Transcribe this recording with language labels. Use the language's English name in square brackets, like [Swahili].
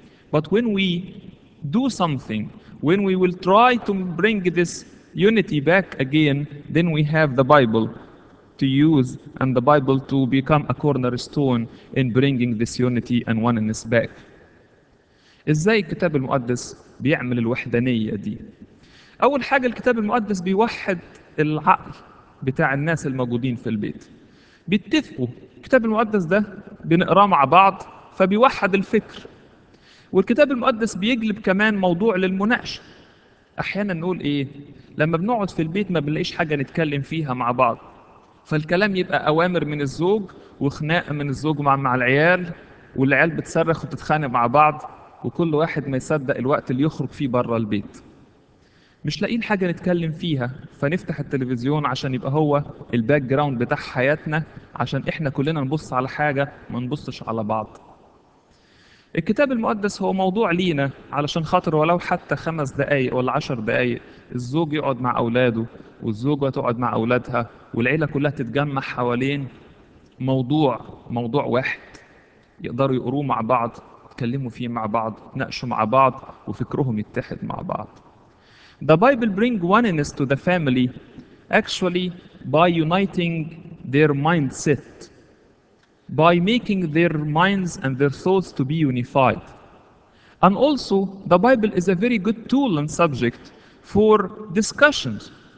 [English] But when we do something, when we will try to bring this unity back again, then we have the Bible to use and the Bible to become a cornerstone in bringing this unity and oneness back. [Arabic] إزاي الكتاب المقدس بيعمل الوحدانية دي؟ أول حاجة الكتاب المقدس بيوحد العقل بتاع الناس الموجودين في البيت، بيتفقوا. الكتاب المقدس ده بنقراه مع بعض فبيوحد الفكر. والكتاب المقدس بيجلب كمان موضوع للمناقشة. أحيانا نقول إيه؟ لما بنقعد في البيت ما بنلاقيش حاجة نتكلم فيها مع بعض، فالكلام يبقى أوامر من الزوج وخناق من الزوج مع العيال، والعيال بتصرخ وتتخانق مع بعض، وكل واحد ما يصدق الوقت اللي يخرج فيه بره البيت. مش لاقيين حاجة نتكلم فيها، فنفتح التلفزيون عشان يبقى هو الباك جراوند بتاع حياتنا، عشان احنا كلنا نبص على حاجة ما نبصش على بعض. الكتاب المقدس هو موضوع لينا علشان خاطر ولو حتى 5 دقايق ولا 10 دقايق، الزوج يقعد مع أولاده والزوجة تقعد مع أولادها والعيلة كلها تتجمع حوالين موضوع واحد يقدروا يقروه مع بعض، يتكلموا فيه مع بعض، يتناقشوا مع بعض، وفكرهم يتحد مع بعض. [English] The Bible bring oneness to the family actually by uniting their mindset, by making their minds and their thoughts to be unified. And also, the Bible is a very good tool and subject for discussions.